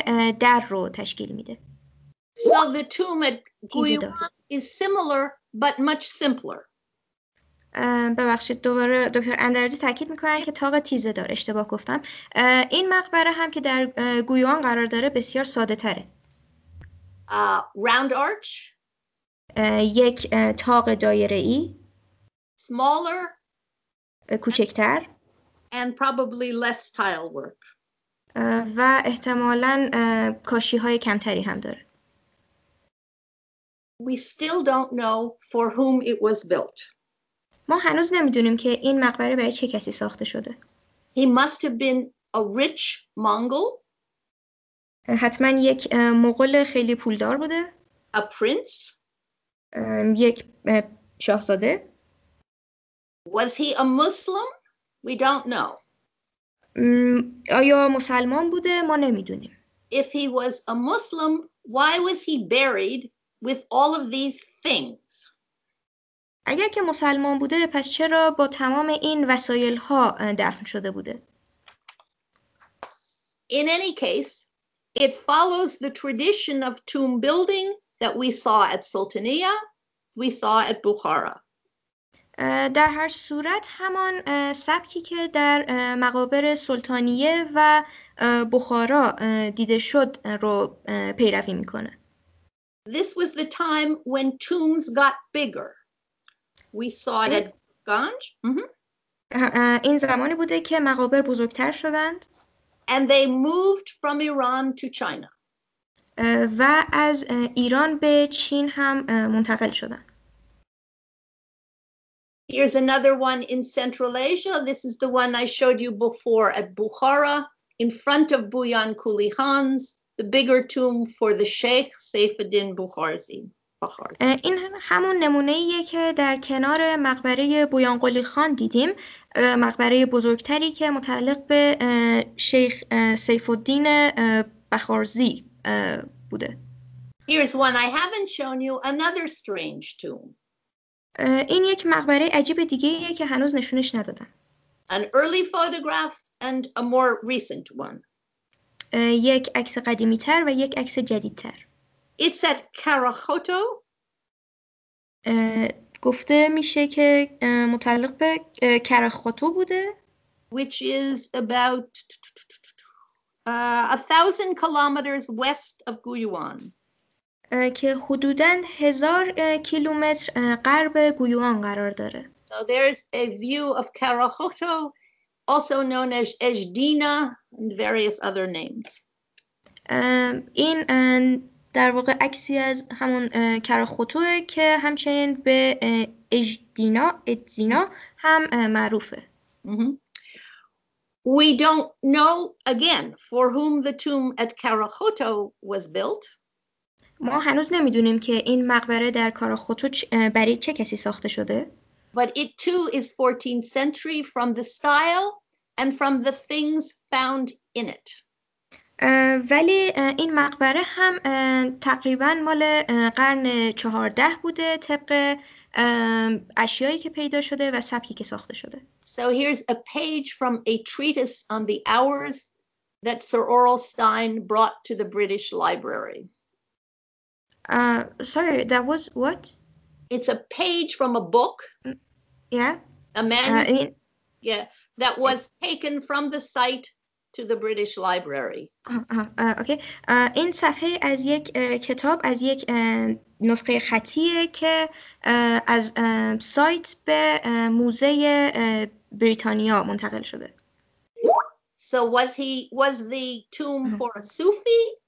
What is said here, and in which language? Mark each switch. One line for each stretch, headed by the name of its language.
English: So the tomb at Guyuan is similar but much simpler.
Persian: ببخشید دوباره دکتر اندرجی تاکید میکنن که تاق تیزه دار اشتباه گفتم. این مقبره هم که در گویوان قرار داره بسیار ساده تره.
English: Round arch.
Persian: یک تاق دایره ای.
English: Smaller,
Persian: کوچکتر,
English: and probably less tile work.
Persian: و احتمالاً کاشی‌های کمتری هم داره.
English: We still don't know for whom it was built.
Persian: ما هنوز نمی‌دونیم که این مقبره برای چه کسی ساخته شده.
English: He must have been a rich Mongol.
Persian: حتماً یک مغول خیلی پولدار بوده.
English: A prince.
Persian: یک شاهزاده.
English: Was he a Muslim? We don't know.
Persian: آیا مسلمان بوده؟ ما نمیدونیم.
English: If he was a Muslim, why was he buried with all of these things?
Persian: اگر که مسلمان بوده، پس چرا با تمام این وسایل ها دفن شده بوده؟
English: In any case, it follows the tradition of tomb building that we saw at Sultaniya, we saw at Bukhara.
Persian: در هر صورت همان سبکی که در مقابر سلطانیه و بخارا دیده شد رو پیروی میکنه.
English: This was the time when tombs got bigger. We saw it at Ganj.
Persian: این زمانی بوده که مقابر بزرگتر شدند.
English: And they moved from Iran to China.
Persian: و از ایران به چین هم منتقل شدند.
English: Here's another one in Central Asia. This is the one I showed you before at Bukhara, in front of Buyan Kuli Khan's, the bigger tomb for the Sheikh Saifuddin Bukharzi.
Persian: این همون نمونه‌ایه که در کنار مقبره بویان قلی خان دیدیم. مقبره بزرگتری که متعلق به شیخ سیف الدین بخارزی بوده.
English: Here's one I haven't shown you, another strange tomb.
Persian: این یک مقبره عجیب دیگه‌ایه که هنوز نشونش ندادن.
English: An early photograph and a more recent one.
Persian: یک عکس قدیمی‌تر و یک عکس جدیدتر.
English: It's at Karakhoto.
Persian: گفته میشه که متعلق به کراخاتو بوده.
English: Which is about 1,000 kilometers west of Guyuan.
Persian: که حدوداً 1000 کیلومتر غرب گویوان قرار داره.
English: So there's a view of Karakhoto, also known as Ejdina and various other names.
Persian: این در واقع عکسی از همون کراخوتوه که همچنین به اجدینا هم معروفه.
English: We don't know again for whom the tomb at Karakhoto was built.
Persian: ما هنوز نمیدونیم که این مقبره در کاراخوتو برای چه کسی ساخته شده.
English: But it too is 14th century from the style and from the things found in it.
Persian: ولی این مقبره هم تقریبا مال قرن 14 بوده طبق اشیایی که پیدا شده و سبکی که ساخته شده.
English: So here's a page from a treatise on the hours that Sir Oral Stein brought to the British Library. Sorry, that was what? It's a page from a book. Yeah. A manuscript. That was taken from the site to the British Library. Okay.
Persian: این صفحه از یک کتاب از یک نسخه خطیه که از سایت به موزه بریتانیا منتقل شده.
English: So was the tomb for a Sufi?